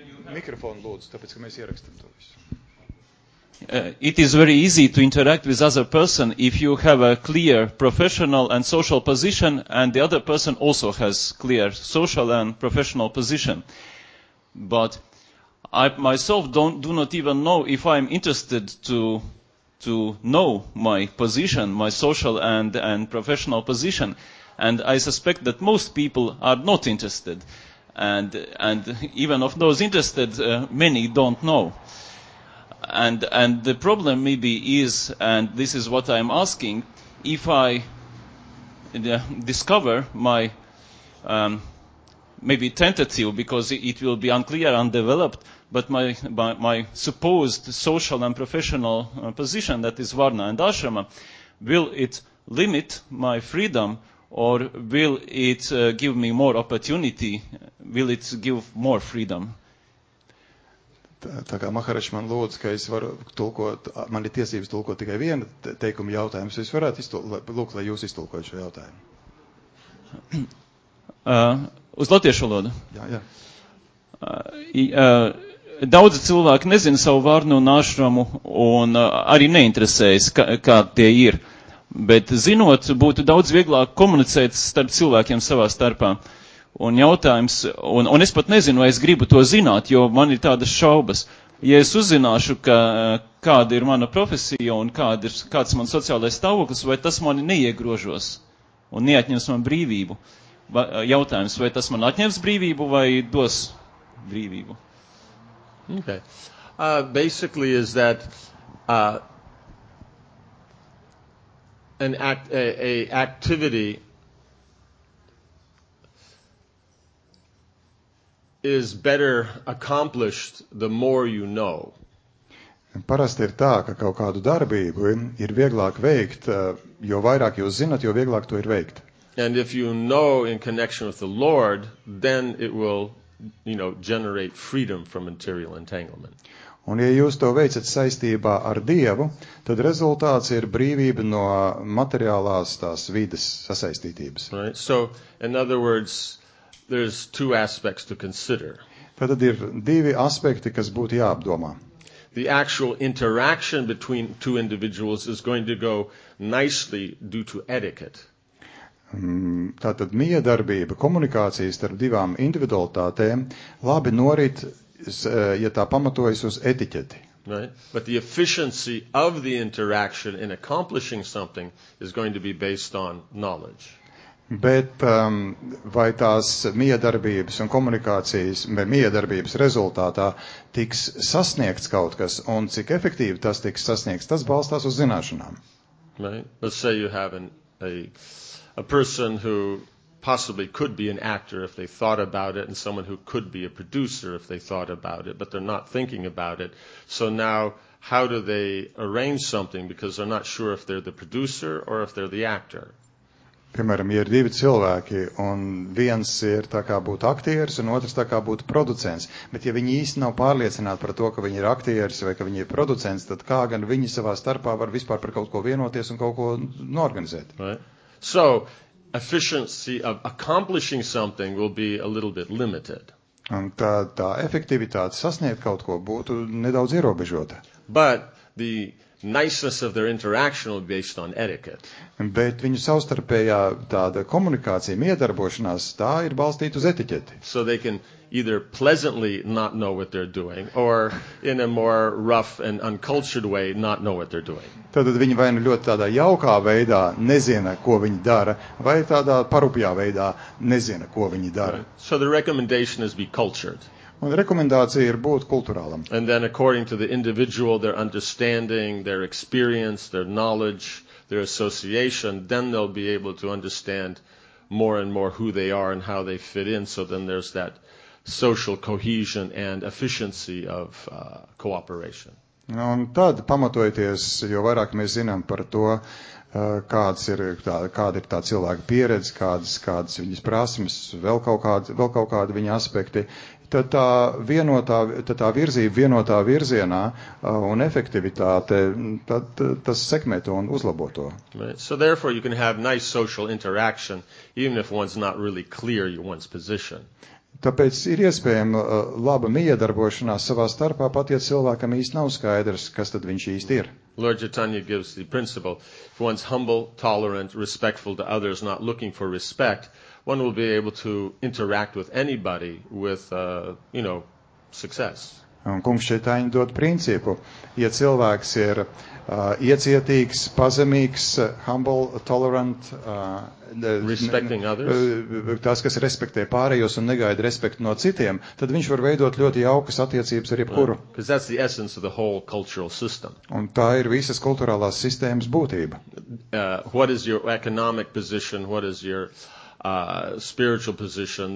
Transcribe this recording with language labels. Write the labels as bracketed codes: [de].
[lv] Mikrofonu lūdzu, tāpēc, ka mēs ierakstam to visu. [en] It is very easy to interact with other person if you have a clear professional and social position and the other person also has clear social and professional position. But I myself do not even know if I'm interested to know my position, my social and professional position. And I suspect that most people are not interested. And even of those interested, many don't know. And the problem maybe is, and this is what I'm asking, if I discover my maybe tentative, because it will be unclear, undeveloped, but my supposed social and professional position, that is Varna and Ashrama, will it limit my freedom? Or will it give me more opportunity? Will it give more freedom? [lv] Tā kā Maharaj man lūdz, ka es varu tulkot, man ir tiesības tulkot tikai vienu teikumu jautājumu, es varētu lūgt, lai jūs iztulkojat šo jautājumu. Uz latviešu lodu. Jā, jā. daudz cilvēku nezina savu vārnu un ašramu un arī neinteresējas, kā tie ir. Bet zinot, būtu daudz vieglāk komunicēt starp cilvēkiem savā starpā. Un jautājums, un es pat nezinu, vai es gribu to zināt, jo man ir tādas šaubas. Ja es uzzināšu, ka, kāda ir mana profesija un kāds man sociālais stāvoklis, vai tas mani neiegrožos un neatņems man brīvību? Jautājums, vai tas man atņems brīvību vai dos brīvību? [en] Okay. Basically is that an activity is better accomplished the more you know. [lv] Parasti ir tā, ka kaut kādu darbību ir vieglāk veikt, jo vairāk jūs zināt, jo vieglāk to ir veikt. [en] And if you know in connection with the Lord, then it will, you know, generate freedom from material entanglement. [lv] Un ja jūs to veicat saistībā ar Dievu, tad rezultāts ir brīvība no materiālās tās vides sasaistītības. [en] Right? So, in other words, there's two aspects to consider. [lv] Tad ir divi aspekti, kas būtu jāapdomā. [en] The actual interaction between two individuals is going to go nicely due to etiquette. [lv] Tātad miedarbība, komunikācija starp divām individualitātēm labi norit, ja tā pamatojas uz etiķeti. [en] Right? But the efficiency of the interaction in accomplishing something is going to be based on knowledge. [lv] Bet vai tās miedarbības un komunikācijas, vai miedarbības rezultātā tiks sasniegts kaut kas, un cik efektīvi tas tiks sasniegts, tas balstās uz zināšanām. [en] Right? Let's say you have a person who possibly could be an actor if they thought about it, and someone who could be a producer if they thought about it, but they're not thinking about it. So now, how do they arrange something? Because they're not sure if they're the producer or if they're the actor. [lv] Piemēram, ir divi cilvēki, un viens ir tā kā būtu aktieris, un otrs tā kā būtu producents. Bet ja viņi īsti nav pārliecināti par to, ka viņi ir aktieris vai ka viņi ir producents, tad kā gan viņi savā starpā var vispār par kaut ko vienoties un kaut ko norganizēt? [en] Right. So, efficiency of accomplishing something will be a little bit limited. [lv] Un tā efektivitāte sasniegt kaut ko būtu nedaudz ierobežota. [en] But the niceness of their interaction will be based on etiquette. [lv] Bet viņu savstarpējā tāda komunikācija, miedarbošanās, tā ir balstīta uz etiķeti. [en] So they can either pleasantly not know what they're doing, or in a more rough and uncultured way not know what they're doing. [lv] Tātad viņi vai nu ļoti tādā jaukā veidā nezina, ko viņi dara, vai tādā parupjā veidā nezina, ko viņi dara. [en] Right. So the recommendation is be cultured. [lv] Un rekomendācija ir būt kulturālam. [en] And then according to the individual, their understanding, their experience, their knowledge, their association, then they'll be able to understand more and more who they are and how they fit in. So then there's that social cohesion and efficiency of cooperation. [lv] Un tad, pamatojoties, jo vairāk mēs zinām par to, kāda ir tā cilvēka pieredze, kādas viņas prasmes, vēl kaut kādi viņa aspekti, tad tā virzība vienotā virzienā un efektivitāte, tad tas sekmē to un uzlabo to. [en] Right. So therefore you can have nice social interaction, even if one's not really clear one's position. [lv] Tāpēc ir iespējama laba miedarbošanās savā starpā, pat ja cilvēkam īsti nav skaidrs, kas tad viņš īsti ir. [en] Lord Chaitanya gives the principle, if one's humble, tolerant, respectful to others, not looking for respect, one will be able to interact with anybody with, you know, success. [lv] Un kungs Chaitanya dod principu, ja cilvēks ir iecietīgs, pazemīgs, [en] humble, tolerant, respecting others. [lv] Tas, kas respektē pārējos un negaida respektu no citiem, tad viņš var veidot ļoti jaukas attiecības ar jebkuru. [en] Because that's the essence of the whole cultural system. [lv] Un tā ir visas kulturālās sistēmas būtība. [en] What is your economic position? What is your spiritual position?